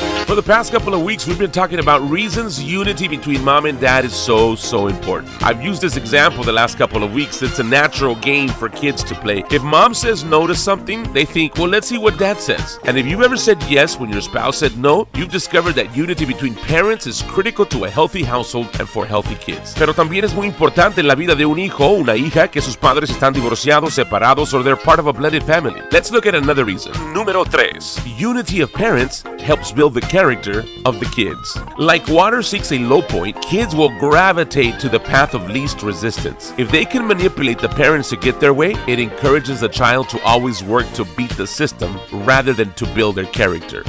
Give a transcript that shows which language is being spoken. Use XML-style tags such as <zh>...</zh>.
<en>For the past couple of weeks, we've been talking about reasons unity between mom and dad is so, so important. I've used this example the last couple of weeks. It's a natural game for kids to play. If mom says no to something, they think, well, let's see what dad says. And if you've ever said yes when your spouse said no, you've discovered that unity between parents is critical to a healthy household and for healthy kids.</en> <es>Pero también es muy importante en la vida de un hijo o una hija que sus padres están divorciados, separados,</es> <en>or they're part of a blended family. Let's look at another reason. Número 3. Unity of parents helps build the character of the kids. Like water seeks a low point, kids will gravitate to the path of least resistance. If they can manipulate the parents to get their way, it encourages the child to always work to beat the system rather than to build their character.</en>